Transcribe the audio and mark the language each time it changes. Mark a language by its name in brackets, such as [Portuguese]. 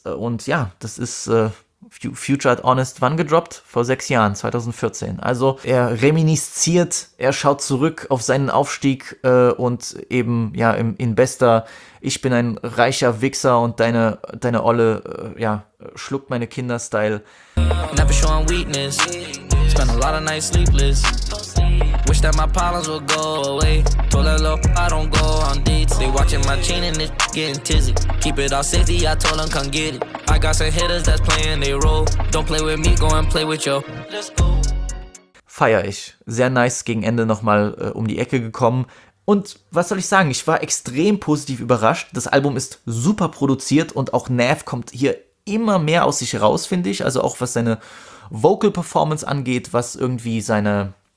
[German] Und ja, das ist... Future hat Honest wann gedroppt? Vor 6 Jahren, 2014. Also er reminisziert, er schaut zurück auf seinen Aufstieg und eben ja in bester Ich bin ein reicher Wichser und deine Olle ja schluckt meine Kinder-Style. [English] Never showing weakness. Spend a lot of nights sleepless. Wish that my problems would go away. Told her, love, I don't go on dates. They watching my chain and it's getting tizzy. Keep it all safety, I told them, come get it. I got some hitters that's playing their role. Don't play with me, go and play with yo. Let's go. [German] Feier ich. Sehr nice, gegen Ende nochmal um die Ecke gekommen. Und was soll ich sagen? Ich war extrem positiv überrascht. Das Album ist super produziert und auch Nav kommt hier immer mehr aus sich raus, finde ich. Also auch was seine Vocal Performance angeht, was irgendwie seine...